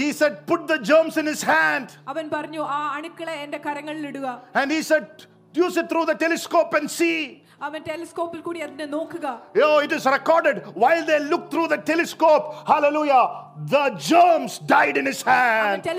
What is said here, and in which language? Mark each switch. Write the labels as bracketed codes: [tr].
[en] He said put the germs in his hand. [ml] അവൻ പറഞ്ഞു ആ അണുക്കളെ എൻ്റെ കരങ്ങളിൽ ഇടുക. [en] And he said use it through the telescope and see. [ml] അവൻ ടെലിസ്കോപ്പിൽ കൂടി അതിനെ നോക്കുക. [en] Oh, it is recorded while they look through the telescope, hallelujah, the germs died in his hand.